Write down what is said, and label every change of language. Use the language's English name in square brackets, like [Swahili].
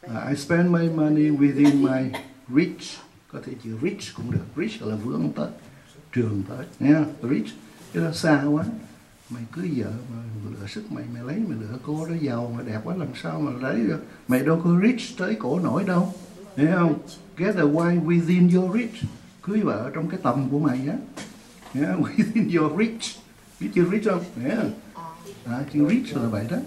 [English] I spend my money within my reach. [Vietnamese] Có thể chữ reach cũng được. Reach là vươn tới, trường tới. Yeah, reach. Cái đó xa quá. Mày cưới vợ, mày lựa sức mày, mày lấy, mày lựa cô đó giàu, mà đẹp quá làm sao mà lấy được. Mày đâu có reach tới cổ nổi đâu. Thấy không? [English] Get a wife within your reach. [Vietnamese] Cưới vợ trong cái tầm của mày á. Yeah, [English] within your reach. [Vietnamese] Biết chữ reach không? Yeah. À, chữ reach là vậy đó.